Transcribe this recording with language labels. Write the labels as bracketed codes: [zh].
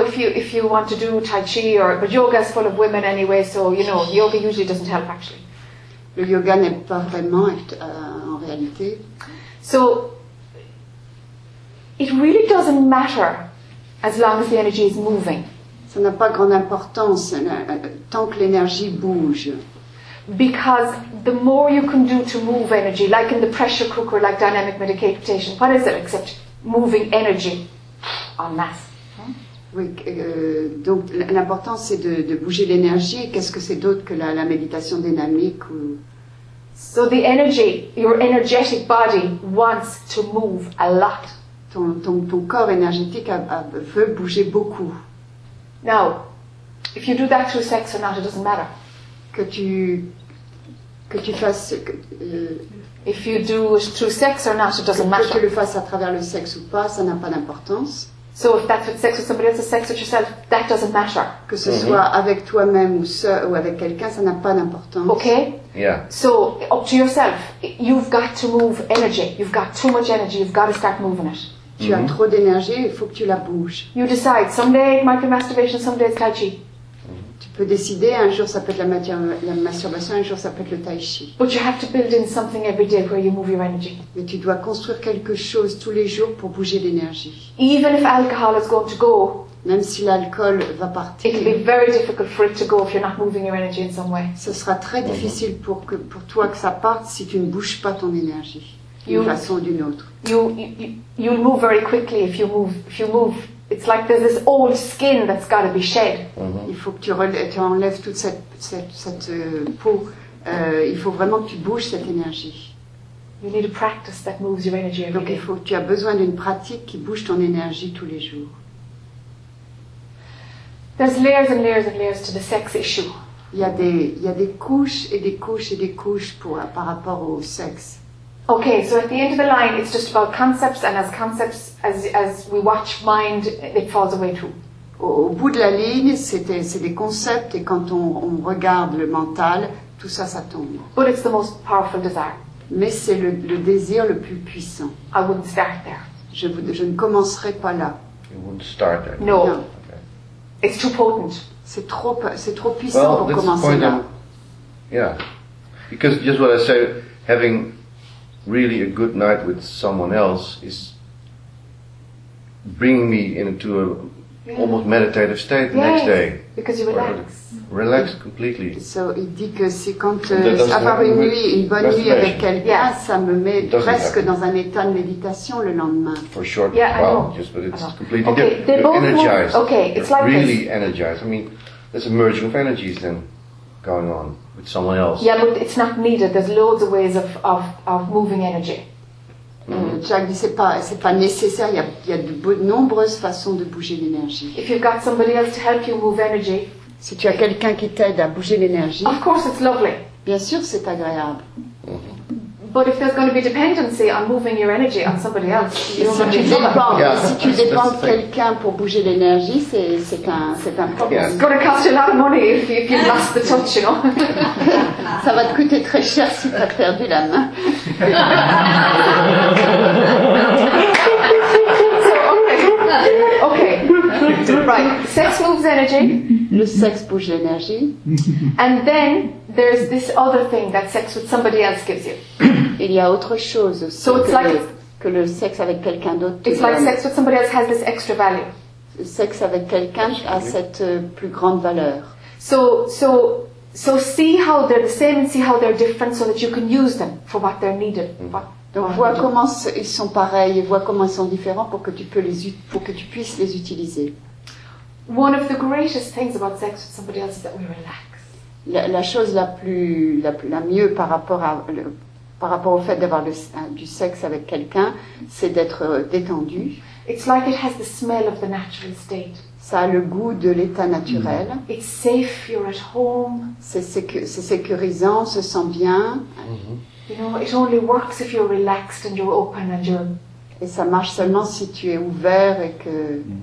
[en] If you want to do Tai Chi but yoga is full of women anyway, so you know, yoga usually doesn't help actually. [fr] Le yoga n'est pas vraiment en réalité. [en] So it really doesn't matter as long as the energy is moving. [fr] Ça n'a pas grande importance tant que l'énergie bouge. [en] Because the more you can do to move energy, like in the pressure cooker, like dynamic meditation, what is it except moving energy en masse? [fr] Oui, donc l'important c'est de bouger l'énergie. Qu'est-ce que c'est d'autre que la méditation dynamique ou... [en] So the energy, your energetic body wants to move a lot. [fr] Ton corps énergétique veut bouger beaucoup. [en] Now, if you do that through sex or not, it doesn't matter. [fr] Que tu fasses [en] if you do it through sex or not, it doesn't matter. [fr] Que tu le fasses à travers le sexe ou pas, ça n'a pas d'importance. [en] So if that's with sex with somebody else, sex with yourself, that doesn't matter. [fr] Que ce soit avec toi-même ou avec quelqu'un, ça n'a pas d'importance. [en] Okay. Yeah. So up to yourself. You've got to move energy. You've got too much energy. You've got to start moving it. [fr] Tu as trop d'énergie. Il faut que tu la bouges. [en] You decide. Someday it might be masturbation. Someday it's tai chi. [fr] Tu peux décider, un jour ça peut être la masturbation, un jour ça peut être le tai chi. [en] But you have to build in something every day where you move your energy. [fr] Mais tu dois construire quelque chose tous les jours pour bouger l'énergie. [en] Even if alcohol is going to go, [fr] même si l'alcool va partir, [en] it can be very difficult for it to go if you're not moving your energy in some way. [fr] Ce sera très difficile pour toi que ça parte si tu ne bouges pas ton énergie d'une façon ou d'une autre. [en] You move very quickly if you move. If you move, it's like there's this old skin that's got to be shed. Mm-hmm. [fr] Il faut que tu enlèves toute cette peau. Il faut vraiment que tu bouges cette énergie. [en] You need a practice that moves your energy every day. [fr] Donc tu as besoin d'une pratique qui bouge ton énergie tous les jours. [en] There's layers and layers and layers to the sex issue. [fr] Il y a des couches et des couches et des couches par rapport au sexe. [en] Okay, so at the end of the line, it's just about concepts, and as concepts, as we watch mind, it falls away too. [fr] Au bout de la ligne, c'est des concepts, et quand on regarde le mental, tout ça, ça tombe. [en] But it's the most powerful desire. [fr] Mais c'est le désir le plus puissant. [en] I wouldn't start there. [fr] Je ne commencerai pas là. [en] You wouldn't start there. No. Okay. It's too potent. [fr] C'est trop puissant pour commencer là. [en] Yeah. Because just what I say, having really a good night with someone else is bringing me into a almost meditative state the next day. Because you relax completely. [fr] So il dit que c'est quand avoir une nuit, une bonne nuit avec quelqu'un, ça me met presque dans un état de méditation le lendemain. [en] For short while, just, but it's completely different. Okay, energized. Okay, it's like really this. Energized. I mean, there's a merging of energies then going on with someone else. Yeah, but it's not needed. There's loads of ways of moving energy. [fr] Mm-hmm. Jack dit c'est pas nécessaire. Il y a de nombreuses façons de bouger l'énergie. [en] If you've got somebody else to help you move energy, [fr] si tu as quelqu'un qui t'aide à bouger l'énergie, [en] of course it's lovely. [fr] Bien sûr, c'est agréable. Mm-hmm. [en] But if there's going to be dependency on moving your energy on somebody else, [fr] si tu dépends de quelqu'un pour bouger l'énergie, c'est un problème. [en] It's going to cost you a lot of money if you lost the touch, you know. [fr] Ça va te coûter très cher si tu as perdu la main. [en] So, okay. Right. Sex moves energy. [fr] Le sexe bouge l'énergie. [en] And then there's this other thing that sex with somebody else gives you. [fr] Il y a autre chose aussi, [en] so it's like [fr] que le sexe avec quelqu'un d'autre. [en] It's like sex with somebody else has this extra value. [fr] Le sexe avec quelqu'un a cette plus grande valeur. [en] So see how they're the same and see how they're different so that you can use them for what they're needed. [fr] Donc vois comment ils sont pareils et vois comment ils sont différents pour que tu puisses les utiliser. [en] One of the greatest things about sex with somebody else is that we relax. [fr] La chose la mieux par rapport au fait d'avoir du sexe avec quelqu'un, c'est d'être détendu. [en] It's like it has the smell of the natural state. [fr] Ça a le goût de l'état naturel. [en] Mm-hmm. It's safe, you're at home. [fr] C'est sécurisant, se sent bien. Mm-hmm. [en] You know, it only works if you're relaxed and you're open and you're. [fr] Et ça marche seulement si tu es ouvert et que.